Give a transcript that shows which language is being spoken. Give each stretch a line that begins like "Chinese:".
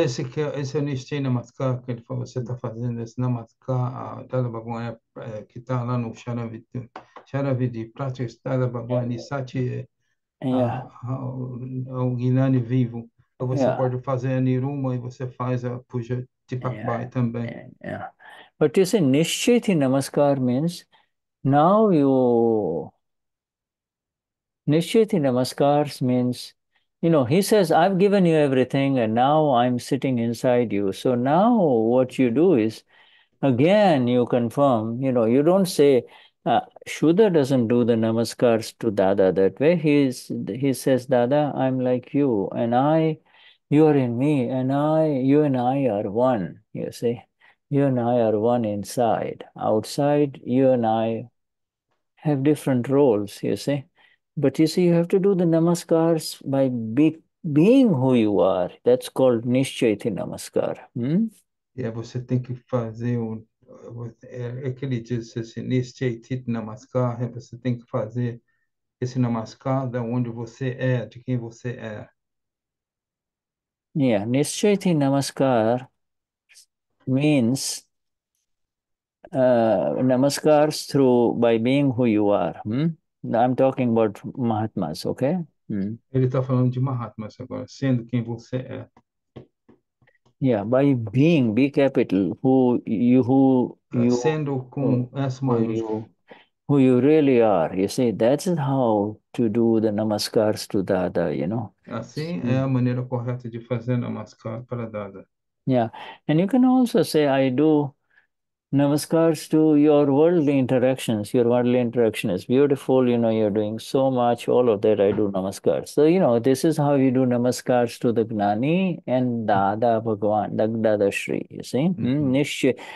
Portuguese: Esse é o Nishchay Namaskar que ele falou, você está fazendo esse Namaskar, Dada Bhagwan, que está lá no Sharavidi, Pratyaksha Dada Bhagwan Nisati, ao Gnani vivo. Ou você pode fazer a Niruma e você faz a Puja Deepak Bhai também.
English: But you say Nishcheti Namaskar means now you. Nishcheti Namaskars means, he says, I've given you everything and now I'm sitting inside you. So now what you do is, again, you confirm, you don't say, Shuddha doesn't do the namaskars to Dada that way. He says, Dada, I'm like you and I, you are in me and I, you and I are one, you see. You and I are one inside. Outside, you and I have different roles, you see. But you see, you have to do the namaskars by being who you are. That's called Nishcheti Namaskar.
Portuguese: E aí você tem que fazer é que ele diz assim, Nishcheti Namaskar, você tem que fazer esse namaskar da onde você é, de quem você é.
English: Nishcheti Namaskar means namaskars through by being who you are. I'm talking about Mahatmas, okay?
Portuguese: Ele está falando de Mahatmas agora, sendo quem você é.
English: By being, B capital, who you really are. You see, that's how to do the namaskars to Dada,
Portuguese: Assim é a maneira correta de fazer namaskar para Dada.
English: And you can also say, I do namaskars to your worldly interactions. Your worldly interaction is beautiful. You're doing so much, all of that. I do namaskars. So, this is how you do namaskars to the Gnani and Dada Bhagwan, Dada Shri, you see.